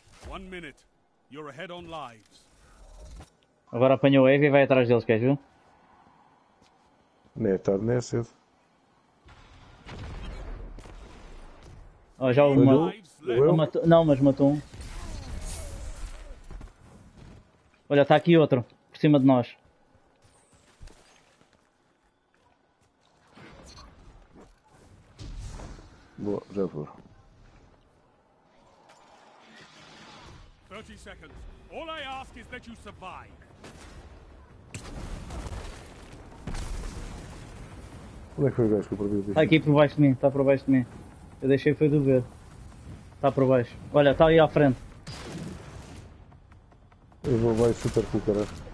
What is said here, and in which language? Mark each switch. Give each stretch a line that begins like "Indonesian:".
English: One minute, you're ahead on lives.
Portuguese: Agora apanhou o heavy e vai atrás deles, queres ver? Nem é tarde, nem é cedo. Oh, já houve uma. Não, mas matou um. Olha, está aqui outro, por cima de nós. Boa, já vou. 30 segundos.
English: All I ask is that you survive.
Portuguese: Onde é que foi o gajo que eu perdi? Está aqui por baixo de mim, está por baixo de mim. Eu deixei foi de ver. Está por baixo. Olha, está aí à frente. Eu vou baixo super cool, cara.